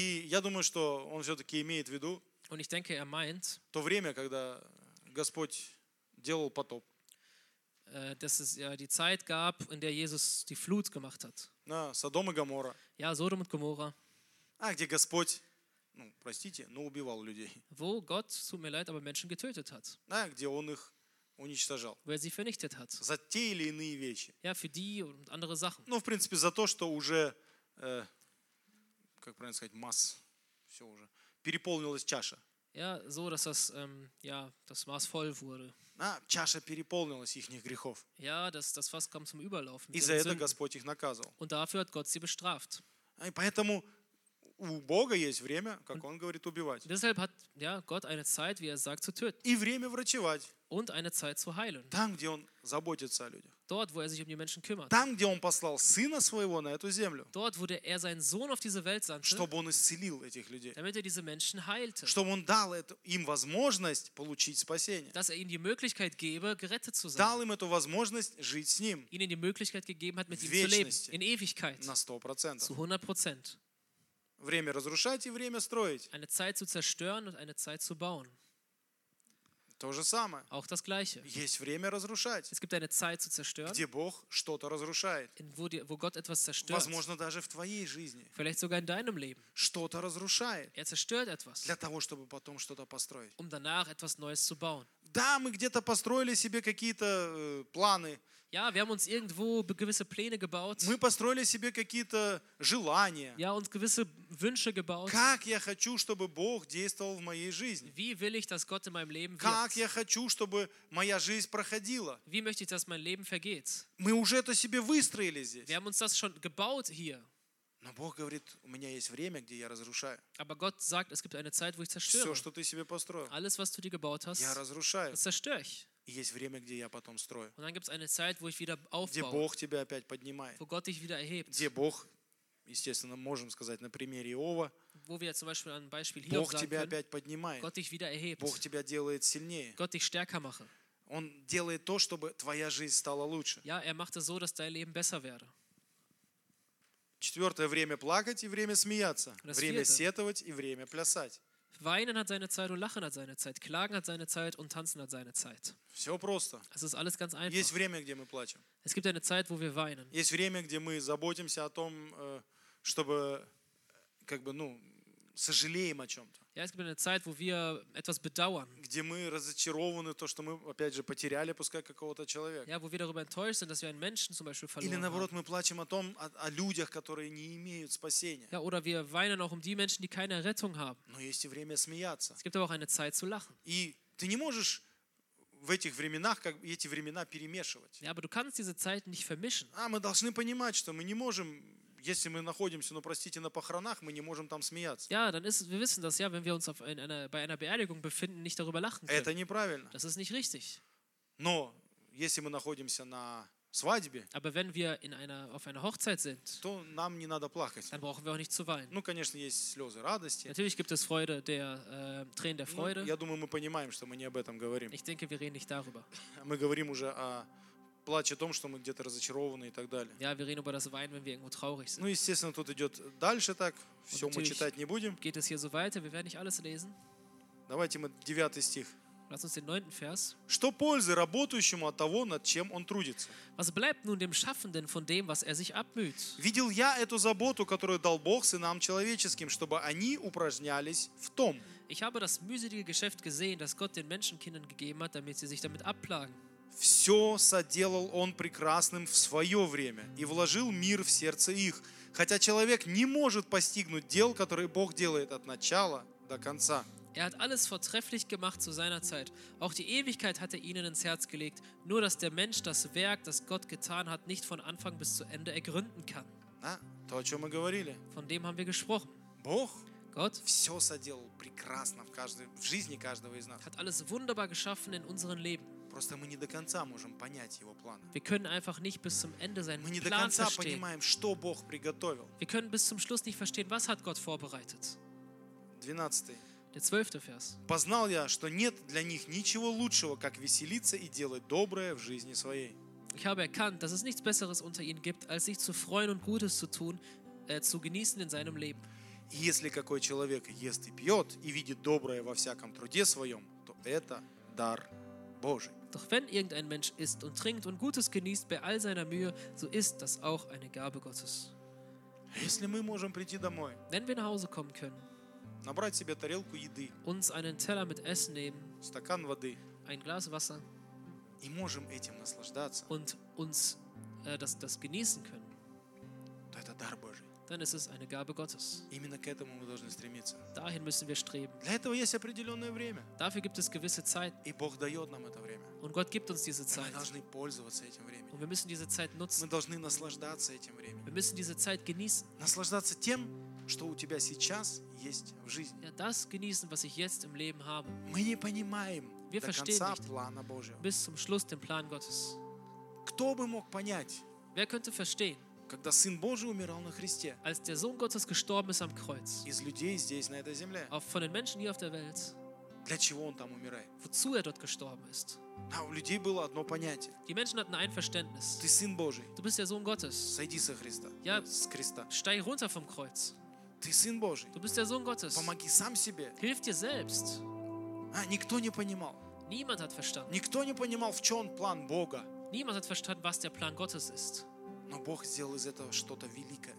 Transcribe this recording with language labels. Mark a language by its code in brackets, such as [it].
[ru] И я думаю, что он все-таки имеет в виду. [de] Und ich denke, er meint, [ru] то время, когда Господь делал потоп. [de] Dass es ja die Zeit gab, in der Jesus die Flut gemacht hat. [ru] Na, Содом и Гоморра. [de] Ja, Sodom und Gomorra. [ru] А где Господь? Ну, простите, но убивал людей. [de] Wo Gott, tut mir leid, aber Menschen getötet hat. [ru] А где он их уничтожал. [de] Wer sie vernichtet hat. [ru] За те или иные вещи. [de] Ja, für die und andere Sachen. [ru] Ну, в принципе, за то, что уже, как правильно сказать, масс, все уже, переполнилась чаша. [de] Ja, so, dass das, ja, das Maß voll wurde. [ru] А, чаша переполнилась ихних грехов. [de] Ja, das, das Fass kam zum Überlaufen. [ru] И за это Господь их наказывал. [de] Und dafür hat Gott sie bestraft. [ru] И поэтому у Бога есть время, как он говорит, убивать. [de] Deshalb hat, ja, Gott eine Zeit, wie er sagt, zu töten. [ru] И время врачевать. [de] Und eine Zeit zu heilen. [ru] Там, где он заботится о людях. [de] Dort, wo er sich um die Menschen kümmert. [ru] Там, где он послал сына своего на эту землю. [de] Dort, wo er seinen Sohn auf diese Welt sandte. [ru] Чтобы он исцелил этих людей. [de] Damit er diese Menschen heilte. [ru] Чтобы он дал им возможность получить спасение. [de] Dass er ihnen die Möglichkeit gebe, gerettet zu sein. [ru] Дал им эту возможность жить с ним. [de] Ihnen die Möglichkeit gegeben hat, mit ihm zu leben. In Ewigkeit. [ru] На 100%. [de] Zu 100%. [ru] Время разрушать и время строить. [de] Eine Zeit zu zerstören und eine Zeit zu bauen. [ru] То же самое. [de] Auch das Gleiche. [ru] Есть время разрушать. [de] Es gibt eine Zeit zu zerstören. [ru] Где Бог что-то разрушает. [de] Wo Gott etwas zerstört. [ru] Возможно, даже в твоей жизни. [de] Vielleicht sogar in deinem Leben. [ru] Что-то разрушает. [de] Er zerstört etwas. [ru] Для того, чтобы потом что-то построить. [de] Um danach etwas Neues zu bauen. [ru] Да, мы где-то построили себе какие-то планы. [de] Ja, wir haben uns irgendwo gewisse Pläne gebaut. [ru] Мы построили себе какие-то желания. [de] Ja, uns gewisse Wünsche gebaut. [ru] Как я хочу, чтобы Бог действовал в моей жизни? [de] Wie will ich, dass Gott in meinem Leben wirkt? [ru] Как я хочу, чтобы моя жизнь проходила? [de] Wie möchte ich, dass mein Leben vergeht? [ru] Мы уже это себе выстроили здесь. [de] Wir haben uns das schon gebaut hier. [ru] Но Бог говорит, у меня есть время, где я разрушаю. [de] Aber Gott sagt, es gibt eine Zeit, wo ich zerstöre. [ru] Все, что ты себе построил. [de] Alles, was du dir gebaut hast, [ru] я разрушаю. [de] Das zerstöre ich. [ru] И есть время, где я потом строю. [de] Und dann gibt's eine Zeit, wo ich wieder aufbaue. [ru] Где Бог тебя опять поднимает. [de] Wo Gott dich wieder erhebt. [ru] Где Бог, естественно, можем сказать на примере Иова. [de] Wo wir zum Beispiel ein Beispiel [ru] Бог [de] Hiob [ru] тебя [de] sagen [ru] опять [de] können, [ru] поднимает. [de] Gott dich wieder erhebt. [ru] Бог тебя делает сильнее. [de] Gott dich stärker machen. [ru] Он делает то, чтобы твоя жизнь стала лучше. [de] Ja, er macht es so, dass dein Leben besser werde. [ru] Четвертое время плакать и время смеяться. Время сетовать и время плясать. [de] Weinen hat seine Zeit und Lachen hat seine Zeit. Klagen hat seine Zeit und Tanzen hat seine Zeit. [ru] Все просто. [de] Es ist alles ganz einfach. [ru] Есть время, где мы плачем. [de] Es gibt eine Zeit, wo wir weinen. [ru] Есть время, где мы заботимся о том, чтобы, как бы, ну, сожалеем о чем-то. [de] Ja, es gibt eine Zeit, wo wir etwas bedauern. [ru] Где мы разочарованы то, что мы, опять же, потеряли, пускай какого-то человека. [de] Ja, wo wir darüber enttäuscht sind, dass wir einen Menschen zum Beispiel verloren haben. [ru] Или наоборот, мы плачем о том, о людях, которые не имеют спасения. [de] Ja, oder wir weinen auch um die Menschen, die keine Rettung haben. [ru] Но есть и время смеяться. [de] Es gibt aber auch eine Zeit zu lachen. [ru] И ты не можешь в этих временах, как эти времена перемешивать. [de] Ja, aber du kannst diese Zeit nicht vermischen. [ru] А мы должны понимать, что мы не можем. Если мы находимся, ну простите, на похоронах, мы не можем там смеяться. [de] Ja, dann ist, wir wissen das, ja, wenn wir uns auf bei einer Beerdigung befinden, nicht darüber lachen können. [ru] Это неправильно. [de] Das ist nicht richtig. [ru] Но если мы находимся на свадьбе, [de] aber wenn wir in einer, auf einer Hochzeit sind, [ru] то нам не надо плакать. [de] Dann brauchen wir auch nicht zu weinen. [ru] Ну, конечно, есть слезы радости. [de] Natürlich gibt es Freude, der Tränen der Freude. [ru] Ну, я думаю, мы понимаем, что мы не об этом говорим. [de] Ich denke, wir reden nicht darüber. [ru] Мы говорим уже о плач о том, что мы где-то разочарованы и так далее. [de] Ja, wir reden über das Weinen, wenn wir irgendwo traurig sind. [ru] Ну, естественно, тут идет дальше так. Все мы читать не будем. [de] Geht es hier so weiter? Wir werden nicht alles lesen. [ru] Давайте мы 9 стих. [de] Lass uns den 9. Vers. [ru] Что пользы работающему от того, над чем он трудится? [de] Was bleibt nun dem Schaffenden von dem, was er sich abmüht? [ru] Видел я эту заботу, которую дал Бог сынам человеческим, чтобы они упражнялись в том. [de] Ich habe das mühselige Geschäft gesehen, das Gott den Menschenkindern gegeben hat, damit sie sich damit abplagen. [ru] Все соделал он прекрасным в свое время и вложил мир в сердце их, хотя человек не может постигнуть дел, которые Бог делает от начала до конца. [de] Er hat alles vortrefflich gemacht zu seiner Zeit. Auch die Ewigkeit hat er ihnen ins Herz gelegt, nur dass der Mensch das Werk, das Gott getan hat, nicht von Anfang bis zu Ende ergründen kann. [ru] Na, то, о чем мы говорили. [de] Von dem haben wir gesprochen. [ru] Бог. [de] Gott. [ru] Все соделал прекрасно в каждой, в жизни каждого из нас. [de] Hat alles wunderbar geschaffen in unserem Leben. [ru] Просто мы не до конца можем понять его планы. [de] Wir können einfach nicht bis zum Ende seinen Plan verstehen. [ru] Мы не до конца понимаем, что Бог приготовил. [de] Wir können bis zum Schluss nicht verstehen, was hat Gott vorbereitet. [ru] 12. [de] Der 12. Vers. [ru] Познал я, что нет для них ничего лучшего, как веселиться и делать доброе в жизни своей. [de] Ich habe erkannt, dass es nichts Besseres unter ihnen gibt, als sich zu freuen und Gutes zu tun, zu genießen in seinem Leben. [ru] Если какой человек ест и пьет и видит доброе во всяком труде своем, то это дар Божий. [de] Doch wenn irgendein Mensch isst und trinkt und Gutes genießt bei all seiner Mühe, so ist das auch eine Gabe Gottes. [ru] Если мы можем прийти домой, [de] wenn wir nach Hause kommen können, [ru] набрать себе тарелку еды, [de] uns einen Teller mit Essen nehmen, [ru] стакан воды, [de] ein Glas Wasser, [ru] и можем этим наслаждаться, [de] und uns das genießen können, [ru] то это дар Божий. [de] Dann ist es eine Gabe Gottes. [ru] Именно к этому мы должны стремиться. [de] Dahin müssen wir streben. [ru] Для этого есть определенное время. [de] Dafür gibt es gewisse Zeit. [ru] И Бог дает нам это время. [de] Und Gott gibt uns diese Zeit. [ru] Мы должны пользоваться этим временем. [de] Und wir müssen diese Zeit nutzen. [ru] Мы должны наслаждаться этим временем. [de] Wir müssen diese Zeit genießen. [ru] Наслаждаться тем, что у тебя сейчас есть в жизни. [de] Ja, das genießen, was ich jetzt im Leben habe. [ru] Мы не понимаем [de] wir [ru] до конца плана Божьего. [de] Bis zum Schluss den Plan Gottes. [ru] Кто бы мог понять? [de] Wer könnte verstehen? [ru] Когда Сын Божий умирал на Христе, [de] als der Sohn Gottes gestorben ist am Kreuz, [ru] из людей здесь, на этой земле, [de] auf, von den Menschen hier auf der Welt, [ru] для чего Он там умирает? [de] Wozu er dort gestorben ist? [ru] Да, у людей было одно понятие. [de] Die Menschen hatten ein Verständnis. [ru] Ты Сын Божий. [de] Du bist der Sohn Gottes. [ru] Сойди со Христа. [de] Ja, [ru] с Христа. [de] Steig runter vom Kreuz. [ru] Ты Сын Божий. [de] Du bist der Sohn Gottes. [ru] Помоги сам себе. [de] Hilf dir selbst. [ru] А, никто не понимал. [de] Niemand hat verstanden. [ru] Никто не понимал, в чем план Бога. [de] Niemand hat verstanden, was der Plan Gottes ist. [ru] Но Бог сделал из этого что-то великое.